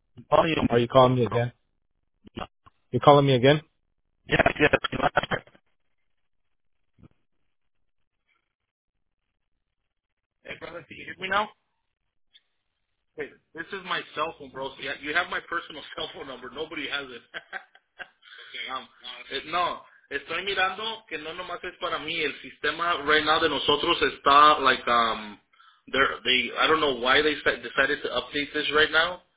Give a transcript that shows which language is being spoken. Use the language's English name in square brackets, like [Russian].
[English] Are you calling me again? No. You're calling me again? Yes. Hey, brother, can you hear me now? Hey, this is my cell phone, bro. See, you have my personal cell phone number. Nobody has it. [Spanish] No, estoy mirando que no nomás es para mí. El sistema [English] right now [Spanish] de nosotros está, [English] like, I don't know why they decided to update this right now.